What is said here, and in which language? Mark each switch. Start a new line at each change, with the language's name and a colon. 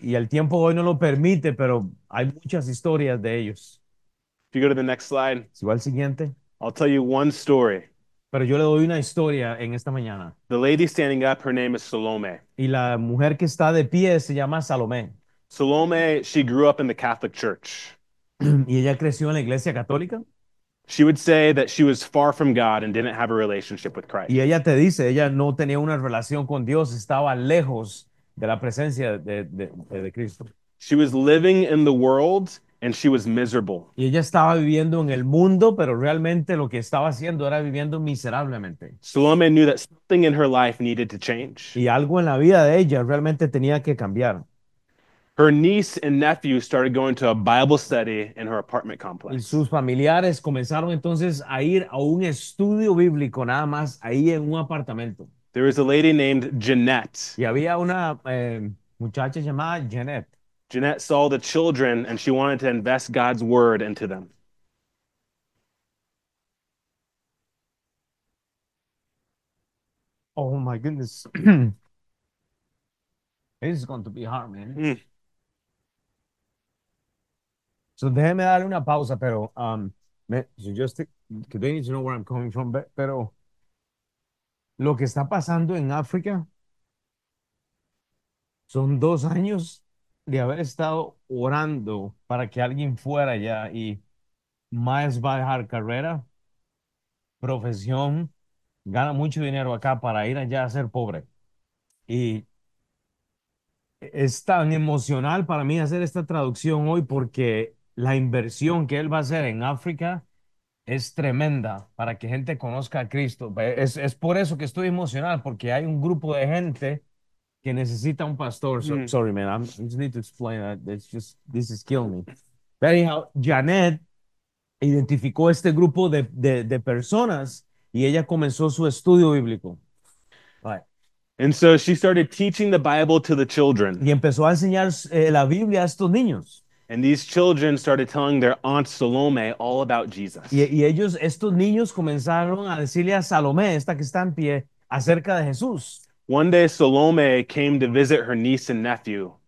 Spanish: Y el tiempo hoy no lo permite, pero hay muchas historias de ellos.
English: If you go to the next slide,
Spanish: Si va al siguiente.
English: I'll tell you one story.
Spanish: Pero yo le doy una historia en esta mañana.
English: The lady standing up, her name is Salome.
Spanish: Y la mujer que está de pie se llama Salomé.
English: Salome, she grew up in the Catholic Church.
Spanish: Y ella creció en la iglesia católica.
English: She would say that she was far from God and didn't have a relationship with
Spanish: Y
English: Christ.
Spanish: ella te dice, ella no tenía una relación con Dios, estaba lejos de la presencia de Cristo.
English: She was living in the world and she was miserable.
Spanish: Y ella estaba viviendo en el mundo, pero realmente lo que estaba haciendo era viviendo miserablemente.
English: Salome knew that something in her life needed to change.
Spanish: Y algo en la vida de ella realmente tenía que cambiar.
English: Her niece and nephew started going to a Bible study in her apartment
Spanish: Y
English: complex.
Spanish: sus familiares comenzaron entonces a ir a un estudio bíblico nada más ahí en un apartamento.
English: There was a lady named Jeanette.
Spanish: Y había una muchacha llamada Janet.
English: Jeanette saw the children and she wanted to invest God's word into them. Oh my goodness. This is going to be hard, man.
Spanish: So déjeme darle una pausa, pero
English: because they need to know where I'm coming from,
Spanish: pero lo que está pasando en África son 2 años de haber estado orando para que alguien fuera allá y más va a dejar carrera, profesión, gana mucho dinero acá para ir allá a ser pobre. Y es tan emocional para mí hacer esta traducción hoy porque la inversión que él va a hacer en África es tremenda para que gente conozca a Cristo. Es por eso que estoy emocional, porque hay un grupo de gente que necesita un pastor.
English: So, sorry, man. I just need to explain that. It's just, this is killing me. But anyhow,
Spanish: Janet identificó este grupo de personas y ella comenzó su estudio bíblico.
English: Right. And so she started teaching the Bible to the children.
Spanish: Y empezó a enseñar la Biblia a estos niños.
English: And these children started telling their aunt Salome all about Jesus.
Spanish: Y ellos, estos niños comenzaron a decirle a Salomé, esta que está en pie, acerca de Jesús.
English: One day Salome came to visit her niece and nephew.